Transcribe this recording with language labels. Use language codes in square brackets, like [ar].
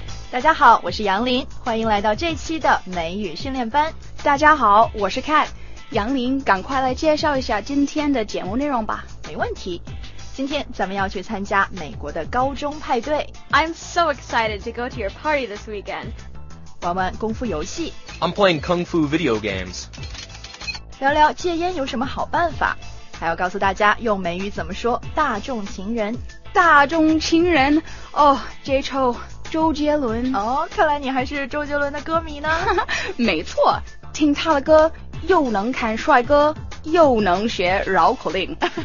[zh] 大家好，我是杨林，欢迎来到这期的美语训练班。大家好，我是 Cat。杨林，赶快来介绍一下今天的节目内容吧。没问题，今天咱们要去参加美国的高中派对。 [en] I'm so excited to go to your party this weekend. [zh] 玩玩功夫游戏。 [en] I'm playing kung fu video games. [zh] 聊聊戒烟有什么好办法，还要告诉大家用美语怎么说大众情人。大众情人，哦，接触周杰伦。哦，看来你还是周杰伦的歌迷呢。没错，听他的歌又能看帅哥又能学绕口令。